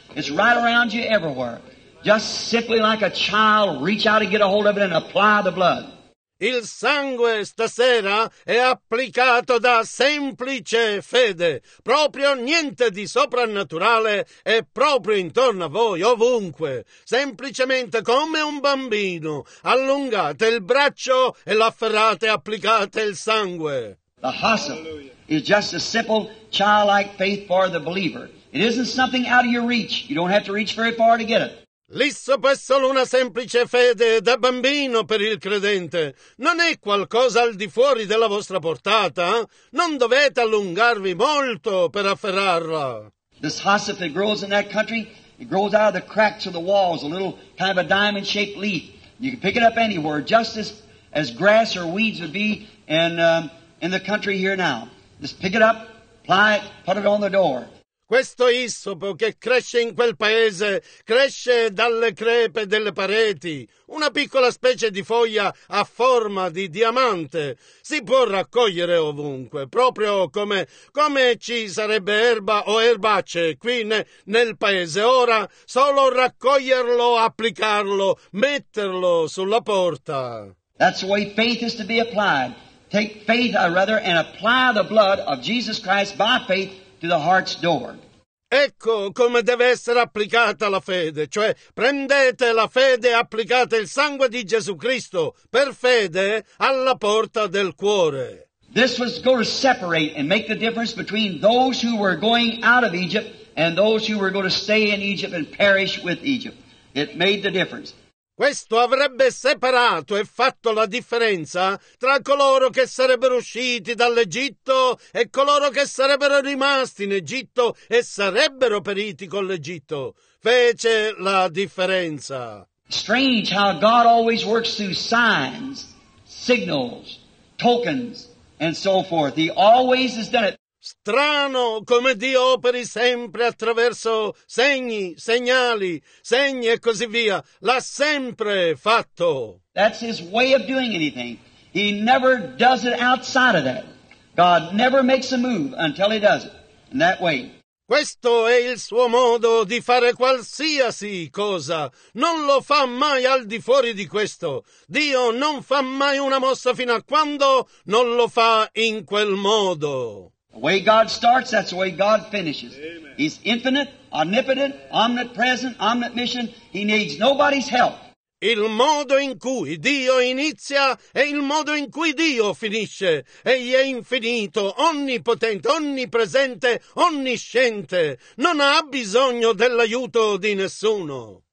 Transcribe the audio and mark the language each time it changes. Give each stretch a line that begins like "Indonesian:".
English: It's right around you everywhere. Just simply like a child, reach out and get a hold of it and apply the blood.
Italian: Il sangue stasera è applicato da semplice fede, proprio niente di soprannaturale è proprio intorno a voi, ovunque. Semplicemente come un bambino, allungate il braccio e l'afferrate e applicate il sangue.
English: The hyssop is just a simple childlike faith for the believer. It isn't something out of your reach. You don't have to reach very far to get it.
Italian: L'issopo è solo una semplice fede da bambino per il credente. Non è qualcosa al di fuori della vostra portata. Non dovete allungarvi molto per afferrarla.
English: This hyssop that grows in that country, it grows out of the cracks of the walls, a little kind of a diamond-shaped leaf. You can pick it up anywhere, just as grass or weeds would be in the country here now. Just pick it up, apply it, put it on the door.
Italian: Questo issopo che cresce in quel paese cresce dalle crepe delle pareti. Una piccola specie di foglia a forma di diamante si può raccogliere ovunque, proprio come ci sarebbe erba o erbacce qui nel paese. Ora, solo raccoglierlo, applicarlo, metterlo sulla porta.
English: That's the way faith is to be applied. Take faith, I rather, and apply the blood of Jesus Christ by faith to the heart's door.
Italian: Ecco come deve essere applicata la fede, cioè prendete la fede e applicate il sangue di Gesù Cristo per fede alla porta del cuore.
English: This was going to separate and make the difference between those who were going out of Egypt and those who were going to stay in Egypt and perish with Egypt. It made the difference.
Italian: Questo avrebbe separato e fatto la differenza tra coloro che sarebbero usciti dall'Egitto e coloro che sarebbero rimasti in Egitto e sarebbero periti con l'Egitto. Fece la differenza.
English: Strange how God always works through signs, signals, tokens, and so forth. He always has done it.
Italian: Strano come Dio operi sempre attraverso segni, segnali, segni e così via. L'ha sempre fatto.
English: That's his way of doing anything. He never does it outside of that. God never makes a move until he does it in that way.
Italian: Questo è il suo modo di fare qualsiasi cosa. Non lo fa mai al di fuori di questo. Dio non fa mai una mossa fino a quando non lo fa in quel modo.
English: The way God starts, that's the way God finishes. Amen. He's infinite, omnipotent, omnipresent, omniscient. He needs nobody's help.
Italian: Il modo in cui Dio inizia è il modo in cui Dio finisce. Egli è infinito, onnipotente, onnipresente, onnisciente. Non ha bisogno dell'aiuto di nessuno.